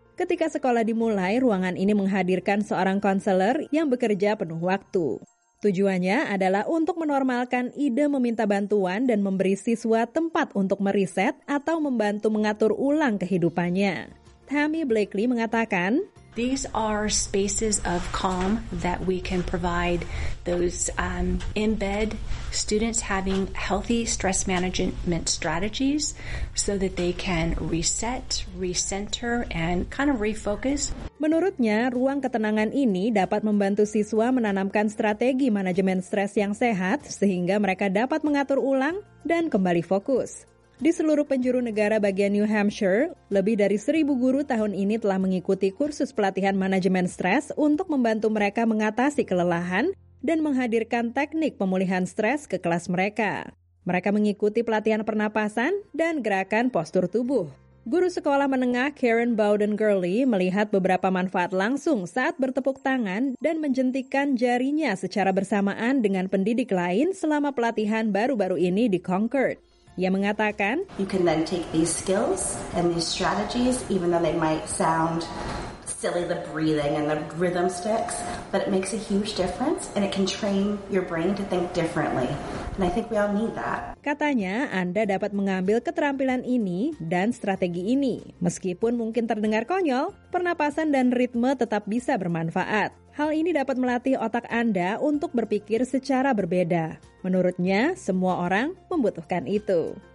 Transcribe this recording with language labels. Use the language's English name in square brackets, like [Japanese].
[Indonesian] Ketika sekolah dimulai, ruangan ini menghadirkan seorang konselor yang bekerja penuh waktu. Tujuannya adalah untuk menormalkan ide meminta bantuan dan memberi siswa tempat untuk meriset atau membantu mengatur ulang kehidupannya. Tammy Blakely mengatakan, [English] "These are spaces of calm that we can provide those embed students having healthy stress management strategies so that they can reset, recenter, and kind of refocus." [Indonesian] Menurutnya, ruang ketenangan ini dapat membantu siswa menanamkan strategi manajemen stres yang sehat sehingga mereka dapat mengatur ulang dan kembali fokus. Di seluruh penjuru negara bagian New Hampshire, lebih dari 1.000 guru tahun ini telah mengikuti kursus pelatihan manajemen stres untuk membantu mereka mengatasi kelelahan dan menghadirkan teknik pemulihan stres ke kelas mereka. Mereka mengikuti pelatihan pernapasan dan gerakan postur tubuh. Guru sekolah menengah Karen Bowden-Gurley melihat beberapa manfaat langsung saat bertepuk tangan dan menjentikan jarinya secara bersamaan dengan pendidik lain selama pelatihan baru-baru ini di Concord. Ia mengatakan, [English] "You can then take these skills and these strategies, even though they might sound silly, the breathing and the rhythm sticks, but it makes a huge difference and it can train your brain to think differently. And I think we all need that." [Indonesian] Katanya, Anda dapat mengambil keterampilan ini dan strategi ini. Meskipun mungkin terdengar konyol, pernapasan dan ritme tetap bisa bermanfaat. Hal ini dapat melatih otak Anda untuk berpikir secara berbeda. Menurutnya, semua orang membutuhkan itu.